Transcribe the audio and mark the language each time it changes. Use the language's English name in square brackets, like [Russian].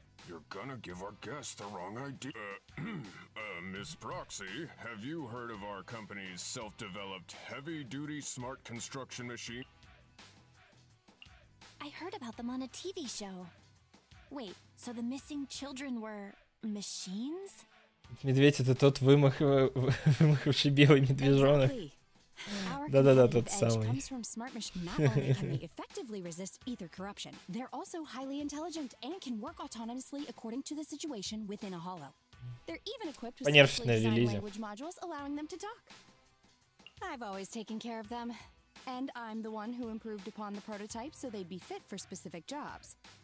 [English] You're gonna give our guests the wrong idea. Miss Proxy, have you heard of our company's self-developed heavy-duty smart construction machine? I heard about them on a TV show. Wait, so the missing children were machines? [Russian] Медведь — это тот вымахавший белый медвежонок. Да-да-да, тот самый. [English] Comes from smart machine malware and they effectively resist ether corruption. They're also highly intelligent and can work autonomously according to the situation within a hollow. They're even equipped with specially designed language modules allowing them to talk. I've always taken care of them, and I'm the one who improved upon the prototype so they'd be fit for specific jobs.